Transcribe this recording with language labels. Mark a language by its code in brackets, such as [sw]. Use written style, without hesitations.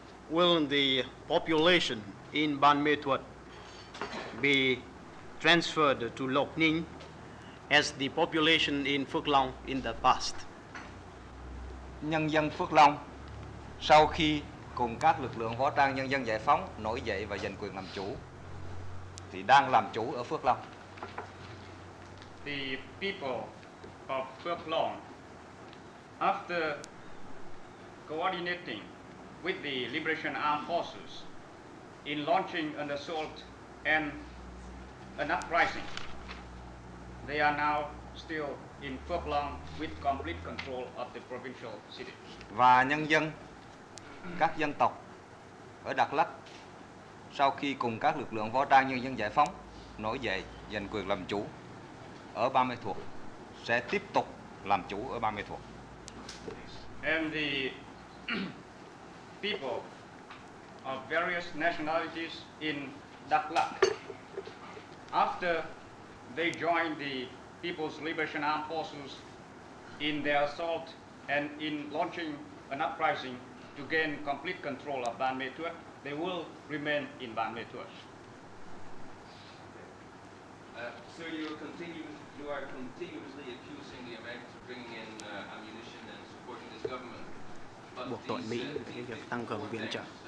[en] Will the population in Ban Mê Thuột be transferred to Lộc Ninh as the population in Phước Long in the past? [vi] Nhân dân Phước Long sau khi cùng các lực lượng võ trang nhân dân giải phóng nổi dậy và giành quyền làm chủ thì đang làm chủ ở Phước Long. [en] The people of Phước Long, after coordinating with the Liberation Armed Forces in launching an assault and an uprising, they are now still in Phước Long with complete control of the provincial city. [vi] Và nhân dân các dân tộc ở Đắk Lắk sau khi cùng các lực lượng võ trang nhân dân giải phóng nổi dậy giành quyền làm chủ ở Ban Mê Thuột sẽ tiếp tục làm chủ ở Ban Mê Thuột. [en] And the people of various nationalities in Đắk Lắk. After they joined the People's Liberation Armed Forces in their assault and in launching an uprising to gain complete control of Ban Mê Thuột, they will remain in Ban Mê Thuột. So you are continuously accusing the Americans of bringing in ammunition and supporting this government. [vi] Buộc tội Mỹ về cái việc tăng cường viện trợ.